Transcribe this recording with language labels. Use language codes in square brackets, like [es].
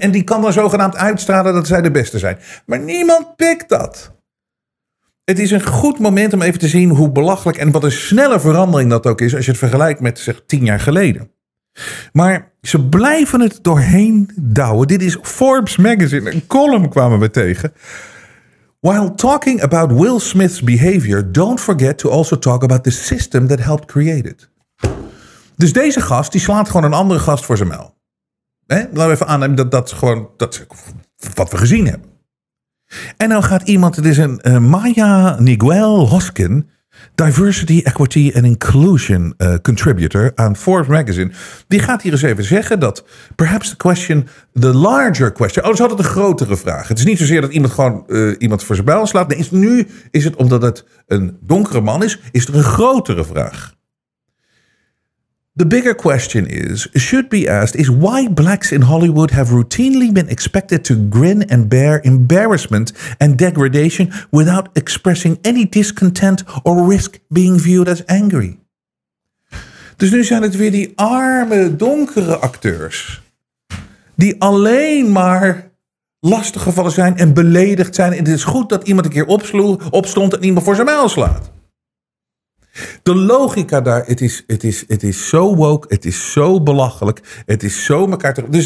[nl] En die kan dan zogenaamd uitstralen dat zij de beste zijn. Maar niemand pikt dat. Het is een goed moment om even te zien hoe belachelijk en wat een snelle verandering dat ook is als je het vergelijkt met zeg 10 jaar geleden. Maar ze blijven het doorheen douwen. Dit is Forbes magazine. Een column kwamen we tegen. [en] While talking about Will Smith's behavior, don't forget to also talk about the system that helped create it. [nl] Dus deze gast, die slaat gewoon een andere gast voor zijn muil. Laten we even aannemen dat dat gewoon dat wat we gezien hebben. En nou gaat iemand, het is een Maya Nigel Hoskin, Diversity, Equity and Inclusion Contributor aan Forbes Magazine. Die gaat hier eens even zeggen dat [en] perhaps the question, the larger question. [nl] Oh, dat is altijd een grotere vraag. Het is niet zozeer dat iemand gewoon iemand voor zijn bijl slaat. Nee, nu is het omdat het een donkere man is, is er een grotere vraag. [en] The bigger question is, should be asked, is why blacks in Hollywood have routinely been expected to grin and bear embarrassment and degradation without expressing any discontent or risk being viewed as angry. [nl] Dus nu zijn het weer die arme, donkere acteurs die alleen maar lastig gevallen zijn en beledigd zijn. En het is goed dat iemand een keer opstond en iemand voor zijn mijl slaat. De logica daar, het is zo woke, het is zo belachelijk, het is zo elkaar te...